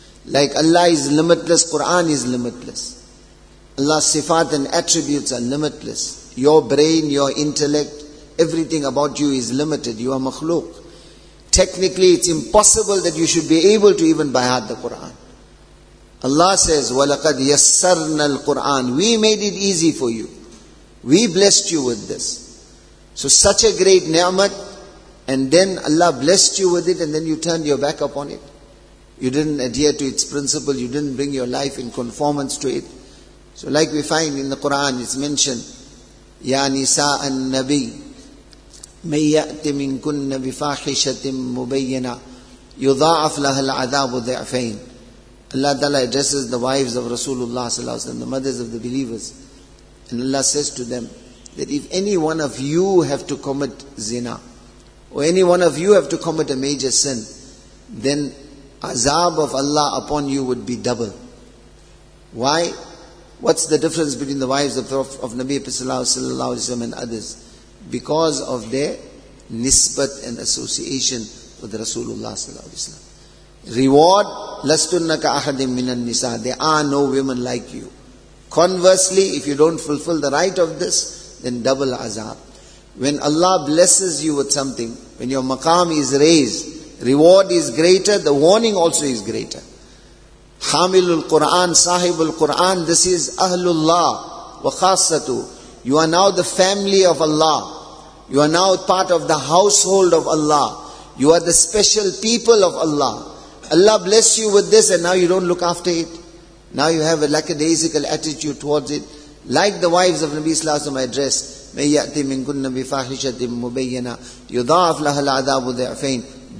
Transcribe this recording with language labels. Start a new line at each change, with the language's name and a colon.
English: Like Allah is limitless, Quran is limitless. Allah's sifat and attributes are limitless. Your brain, your intellect, everything about you is limited. You are makhluk. Technically, it's impossible that you should be able to even bayat the Quran.
Arabic: Allah says, وَلَقَدْ يَسَّرْنَا الْقُرْآنَ.
English: We made it easy for you. We blessed you with this. So such a great ni'mat, and then Allah blessed you with it, and then you turned your back upon it. You didn't adhere to its principle, you didn't bring your life in conformance to it. So like we find in the Quran, it's mentioned,
Arabic: يَا نِسَاءَ النَّبِي مَنْ يَأْتِ مِنْكُنَّ بِفَاحِشَةٍ مُبَيِّنًا يُضَاعَفْ لَهَا الْعَذَابُ ضِعْفَيْنِ.
English: Allah Ta'ala addresses the wives of Rasulullah Sallallahu Alaihi Wasallam, the mothers of the believers. And Allah says to them, that if any one of you have to commit zina, or any one of you have to commit a major sin, then azab of Allah upon you would be double. Why? What's the difference between the wives of Nabi Sallallahu Alaihi Wasallam and others? Because of their nisbat and association with Rasulullah Sallallahu Alaihi Wasallam. Reward,
Arabic: لَسْتُنَّكَ أَحَدٍ مِّنَ النِّسَاءِ.
English: There are no women like you. Conversely, if you don't fulfill the right of this, then double azab. When Allah blesses you with something, when your maqam is raised, reward is greater, the warning also is greater.
Arabic: حَامِلُ الْقُرْآنِ صَاحِبُ الْقُرْآنِ. This is أَهْلُ اللَّهِ وَخَاصَّتُ.
English: You are now the family of Allah. You are now part of the household of Allah. You are the special people of Allah. Allah bless you with this and now you don't look after it. Now you have a lackadaisical attitude towards it. Like the wives of Nabi Sallallahu Alaihi Wasallam addressed,
Arabic: مَنْ يَأْتِ مِنْكُنَّ بِفَاحِشَةٍ مُبَيَّنًا يُضَاعَفْ لَهَا الْعَذَابُ ضِعْفَيْنِ.